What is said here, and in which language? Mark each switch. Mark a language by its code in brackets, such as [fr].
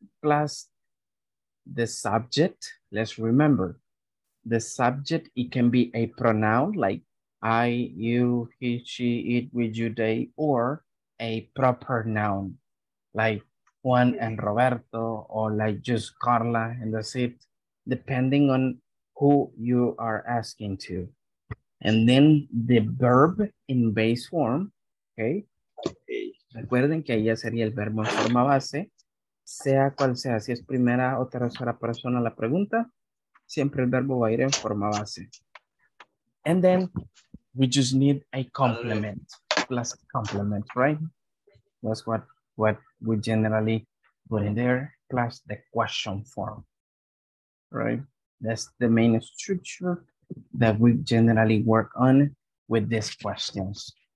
[en] Plus the subject, let's remember, the subject, it can be a pronoun like I, you, he, she, it, we, you, they, or a proper noun, like Juan and Roberto, or like just Carla, and that's it, depending on who you are asking to. And then the verb in base form, okay? [es] Recuerden que ella sería el verbo en forma base, sea cual sea, si es primera o tercera persona la pregunta, siempre el verbo va a ir en forma base. [en] And then, we just need a complement, plus complement, right? That's what we generally put in there, plus the question form, right? That's the main structure that we generally work on with these questions.